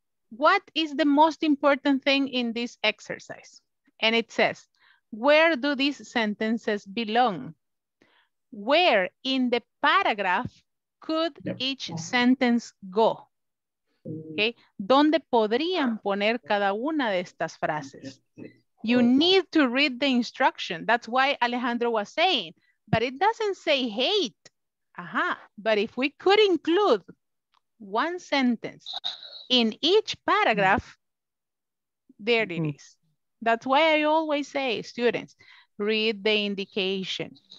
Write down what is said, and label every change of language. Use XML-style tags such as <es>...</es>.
<en>What is the most important thing in this exercise? And it says, where do these sentences belong? Where in the paragraph could each sentence go? Okay.</en> <es>¿Dónde podrían poner cada una de estas frases?</es> <en>You need to read the instruction. That's why Alejandro was saying, but it doesn't say hate. But if we could include one sentence in each paragraph, there it is. That's why I always say, students, read the indication.</en>